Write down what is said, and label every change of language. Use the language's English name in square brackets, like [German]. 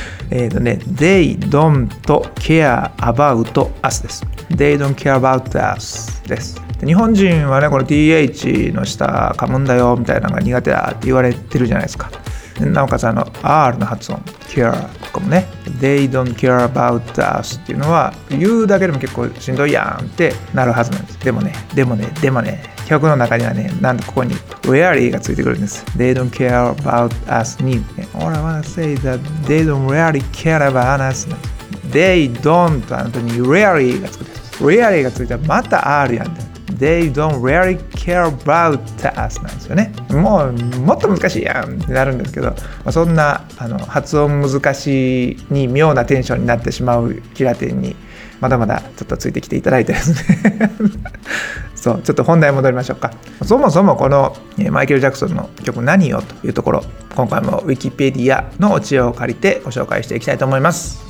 [English] They don't care about us [Japanese] です。 [English] They don't care about us [Japanese] です。で、日本人はね、この TH の下噛むんだよみたいなのが苦手だって言われてるじゃないですか。でなおかつ R の発音、care とかもね、 [English] They don't care about us [Japanese] っていうのは言うだけでも結構しんどいやんってなるはずなんです。でもね、曲の中にはね、なんとここに Really がついてくるんです。 [English] They don't care about us に、All I wanna say is that they don't really care about us。 They don't [Japanese] あの時に Really がつくんです。Really がついたらまた R やん。 [English] They don't really care about us [Japanese] なんですよね。もうもっと難しいやんってなるんですけど、そんな発音難しいに妙なテンションになってしまうキラテンにまだまだちょっとついてきていただいてですね。そう、ちょっと本題戻りましょうか。そもそもこのマイケル・ジャクソンの曲何よというところ、今回もウィキペディアのお知恵を借りてご紹介していきたいと思います。